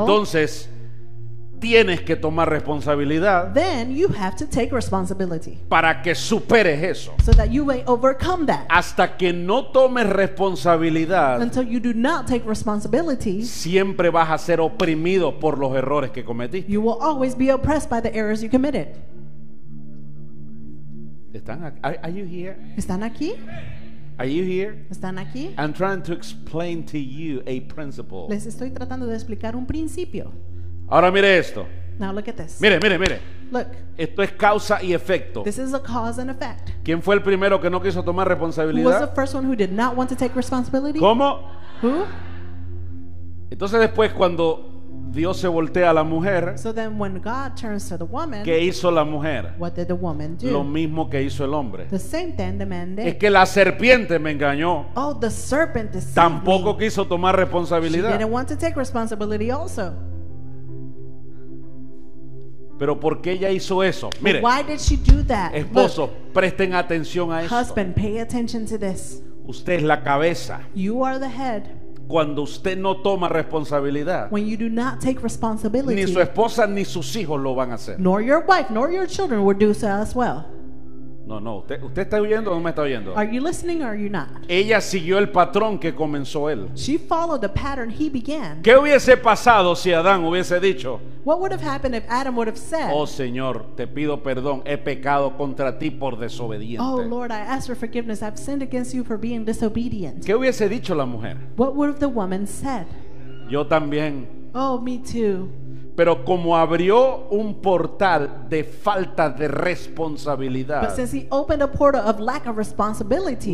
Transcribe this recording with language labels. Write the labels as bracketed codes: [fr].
[es] entonces tienes que tomar responsabilidad. [en] Then you have to take responsibility. [es] Para que superes eso. [en] So that you may overcome that. [es] Hasta que no tomes responsabilidad. [en] Until you do not take responsibility. [es] Siempre vas a ser oprimido por los errores que cometiste. [en] You will always be oppressed by the errors you committed. [es] ¿Están aquí? [en] Are you here? [es] ¿Están aquí? [en] Are you here? [es] ¿Están aquí? [en] I'm trying to explain to you a principle. [es] Les estoy tratando de explicar un principio. Ahora mire esto. [en] Now look at this. [es] Mire, mire, mire. [en] Look. [es] Esto es causa y efecto. [en] This is a cause and effect. [es] ¿Quién fue el primero que no quiso tomar responsabilidad? [en] Who was the first one who did not want to take responsibility? [es] ¿Cómo? [en] Who? [es] Entonces después cuando Dios se voltea a la mujer. [en] So then when God turns to the woman. [es] ¿Qué hizo la mujer? [en] What did the woman do? [es] Lo mismo que hizo el hombre. [en] The same thing the man did. [es] Es que la serpiente me engañó. [en] Oh, the serpent deceived me. [es] Tampoco quiso tomar responsabilidad. [en] She didn't want to take responsibility also. [es] Pero ¿por qué ella hizo eso? Mire, [en] why did she do that? [es] Esposo, look, presten atención a esto. [en] Husband, pay attention to this. [es] Usted es la cabeza. [en] You are the head. [es] Cuando usted no toma responsabilidad, [en] when you do not take responsibility, [es] ni su esposa ni sus hijos lo van a hacer. [en] Nor your wife, nor your children will do so as well. [es] No, no, usted está oyendo o no me está oyendo. [en] Are you listening or are you not? [es] Ella siguió el patrón que comenzó él. [en] She followed the pattern he began. [es] ¿Qué hubiese pasado si Adán hubiese dicho? [en] What would have happened if Adam would have said? [es] Oh, Señor, te pido perdón, he pecado contra ti por desobediente. [en] Oh, Lord, I ask for forgiveness. I've sinned against you for being disobedient. [es] ¿Qué hubiese dicho la mujer? [en] What would have the woman said? [es] Yo también. [en] Oh, me too. [es] Pero como abrió un portal de falta de responsabilidad, [en] but since he opened a portal of lack of responsibility,